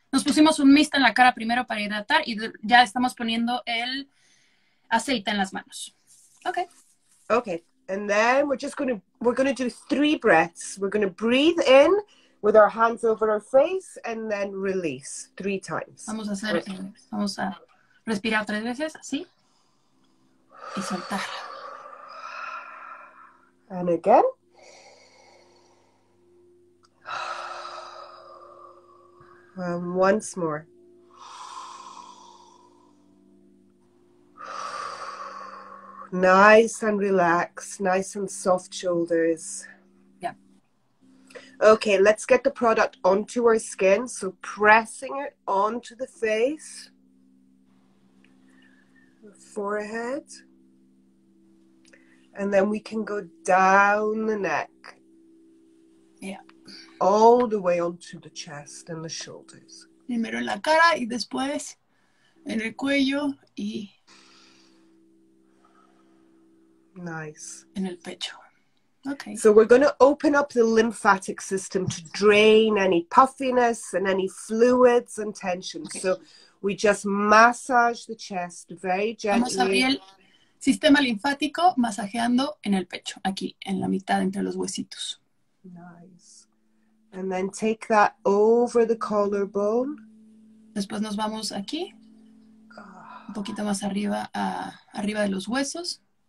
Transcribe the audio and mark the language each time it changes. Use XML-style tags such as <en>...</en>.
<es>Nos pusimos un mist en la cara primero para hidratar y ya estamos poniendo el aceite en las manos.</es> <en>Okay. Okay. And then we're going to do three breaths. We're going to breathe in with our hands over our face and then release three times.</en> <es>Vamos a respirar tres veces, así. Y soltar.</es> <en>And again. Once more. Nice and relaxed, nice and soft shoulders. Yeah. Okay, let's get the product onto our skin. So pressing it onto the face, the forehead, and then we can go down the neck. Yeah. All the way onto the chest and the shoulders.</en> <es>Primero en la cara y después en el cuello y.</es> <en>Nice.</en> <es>En el pecho.</es> <en>So we're going to open up the lymphatic system to drain any puffiness and any fluids and tension. Okay. So we just massage the chest very gently.</en> <es>Vamos a abrir el sistema linfático masajeando en el pecho, aquí, en la mitad, entre los huesitos.</es> <en>Nice. And then take that over the collarbone.</en> <es>Después nos vamos aquí, un poquito más arriba, arriba de los huesos.</es>